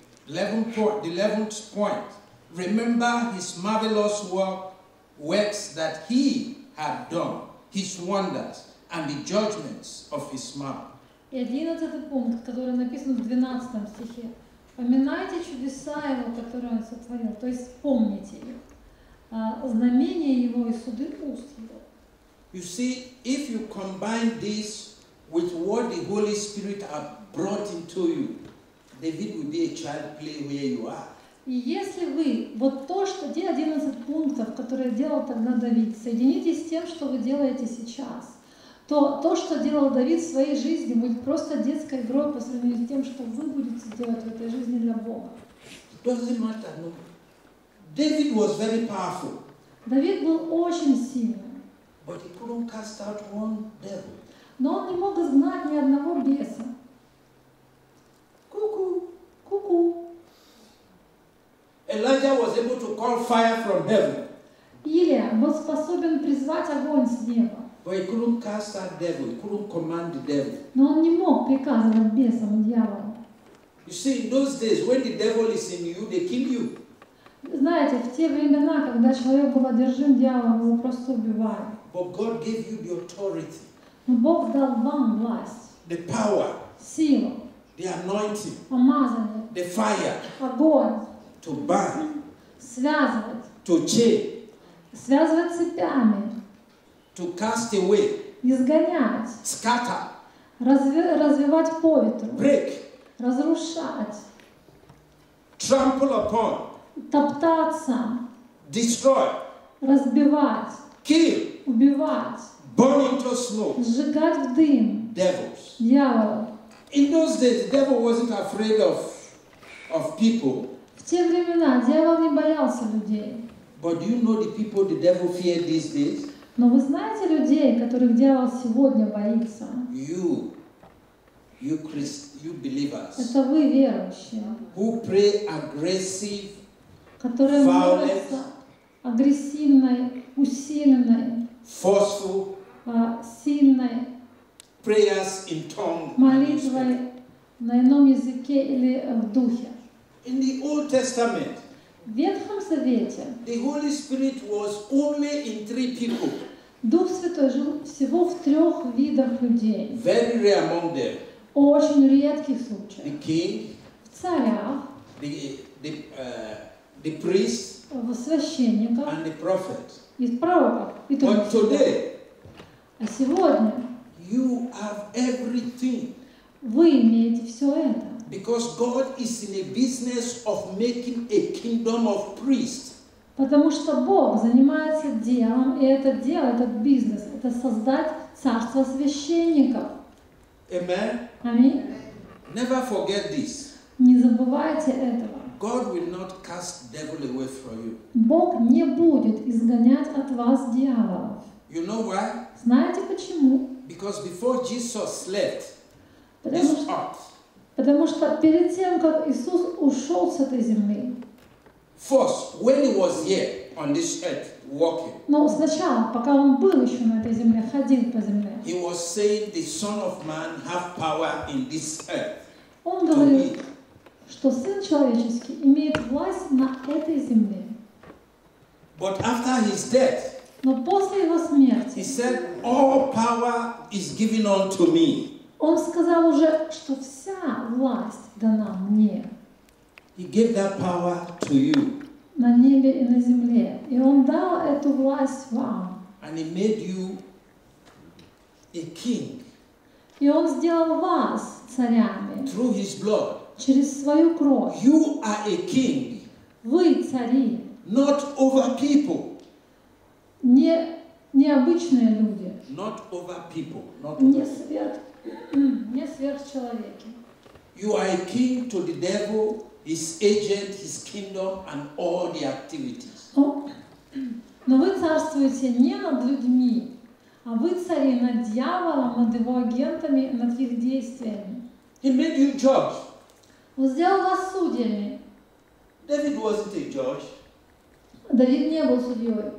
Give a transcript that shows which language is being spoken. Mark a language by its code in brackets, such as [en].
[en] The eleventh point, remember his marvelous works that he had done, his wonders and the judgments of his mouth. [ru] И одиннадцатый пункт, который написан в 12 стихе. Поминайте чудеса Его, которые Он сотворил, то есть вспомните их. Знамения Его и суды уст Его. [en] You see, if you combine this with what the Holy Spirit has brought into you, David will be a child play where you are. [ru] И если вы вот то, что те 11 пунктов, которые делал тогда Давид, соедините с тем, что вы делаете сейчас, то, что делал Давид в своей жизни, будет просто детской игрой по сравнению с тем, что вы будете делать в этой жизни для Бога. [en] It doesn't matter, no. David was very powerful. [ru] Давид был очень сильным. [en] But he couldn't cast out one devil. [ru] Но он не мог изгнать ни одного беса. Ку-ку. Ку-ку. [en] Elijah was able to call fire from heaven. [ru] Илия был способен призвать огонь с неба. [en] But he couldn't cast out devil. He couldn't command the devil. [ru] Но он не мог приказывать бесам, дьяволу. [en] You see, in those days, when the devil is in you, they kill you. [ru] Знаете, в те времена, когда человек был одержим дьяволом, его просто убивали. [en] But God gave you the authority. [ru] Но Бог дал вам власть. [en] The power. [ru] Силу. [en] The anointing. [ru] Помазание. [en] The fire. [ru] Огонь. [en] To burn. [ru] Связывать. [en] To chain. [ru] Связывать цепями. [en] To cast away. [ru] Изгонять. [en] Scatter. [ru] Развивать по ветру. [en] Break. [ru] Разрушать. [en] Trample upon. [ru] Топтаться. [en] Destroy. [ru] Разбивать. [en] Kill. [ru] Убивать. [en] Burn into smoke. [ru] Сжигать в дым. [en] Devils. [ru] Дьявол. [en] In those days, the devil wasn't afraid of people. [ru] В те времена дьявол не боялся людей. [en] But do you know the people the devil feared these days? [ru] Но вы знаете людей, которых дьявол сегодня боится? [en] You believers. [ru] Это вы верующие. [en] Who pray aggressive, [ru] которые молятся агрессивной, усиленной, [en] forceful, [ru] сильной [en] prayers in tongue, [ru] молитвой на ином языке или в духе. [en] In the Old Testament, [ru] в Ветхом Завете, [en] the Holy Spirit was only in three people. [ru] Дух Святой жил всего в трех видах людей. [en] Very rare among them. [ru] Очень редких случаях. [en] The king, [ru] в царях, [en] the priest, [ru] в священниках, [en] and the prophet. [ru] И в пророках. И [en] but [ru] всех. [en] Today, [ru] а сегодня, [en] you have everything. [ru] Вы имеете все это. [en] Because God is in the business of making a kingdom of priests. [ru] Потому что Бог занимается делом, и это дело, этот бизнес, это создать царство священников. [en] Amen. Amen. Never forget this. [ru] Не забывайте этого. [en] God will not cast devil away from you. [ru] Бог не будет изгонять от вас дьяволов. [en] You know why? [ru] Знаете почему? [en] Because before Jesus left, [ru] потому что перед тем, как Иисус ушел с этой земли. [en] First, when he was here on this earth walking. [ru] Но сначала, пока он был еще на этой земле, ходил по земле. [en] He was saying, "The Son of Man have power in this earth." [ru] Он говорит, что Сын человеческий имеет власть на этой земле. [en] But after his death. [ru] Но после его смерти. [en] He said, "All power is given unto me." [ru] Он сказал уже, что вся власть дана мне. [en] He gave that power to you. [ru] На небе и на земле. И он дал эту власть вам. [en] And he made you a king. [ru] И он сделал вас царями. [en] Through his blood. [ru] Через свою кровь. [en] You are a king. [ru] Вы цари. [en] Not over people. [ru] Не обычные люди. [en] Not over people. Not [ru] не сверх. Не сверхчеловеки. [en] You are a king to the devil, his agent, his kingdom, and all the activities. [ru] Но вы царствуете не над людьми, а вы цари над дьяволом, над его агентами, над их действиями. [en] He made you judge. [ru] Он сделал вас судьями. [en] David wasn't a judge. [ru] Давид не был судьей.